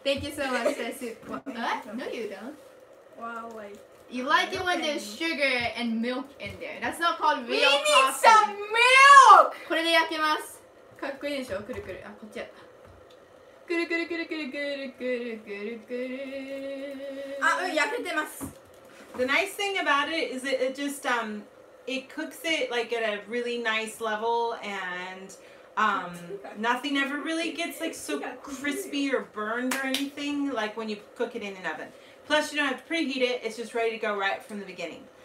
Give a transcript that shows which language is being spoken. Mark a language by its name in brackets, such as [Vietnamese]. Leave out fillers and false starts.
[English] Thank you so much says No you don't Wow like You like it when there's sugar and milk in there. That's not called real coffee. We need some milk! [Japanese] これで焼けます。かっこいいでしょ?くるくる。あ、こっちやった。くるくるくるくるくるくるくるくる。あ、うん、焼けてます。 [English] The nice thing about it is it just, it cooks it like at a really nice level and, nothing ever really gets like so crispy or burned or anything like when you cook it in an oven. Plus, you don't have to preheat it. It's just ready to go right from the beginning.